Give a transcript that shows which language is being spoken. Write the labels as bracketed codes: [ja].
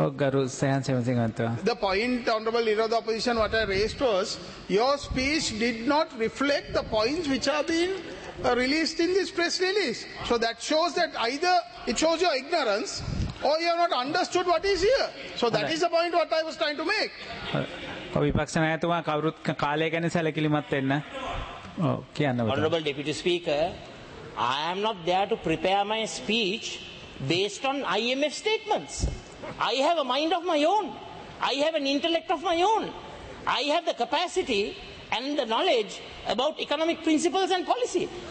[en] The point, Honorable Leader of the Opposition, what I raised was, your speech did not reflect the points which have been released in this press release. So that shows that either it shows your ignorance, or you have not understood what is here. So that is the point what I was trying to make. [si] විපක්ෂ නායකතුමා කවුරුත් කාලය ගැන සැලකිලිමත් වෙන්න. ඔව් කියන්න ඕනේ. [en] Honorable Deputy Speaker, I am not there to prepare my speech based on IMF statements. I have a mind of my own. I have an intellect of my own. I have the capacity and the knowledge about economic principles and policy.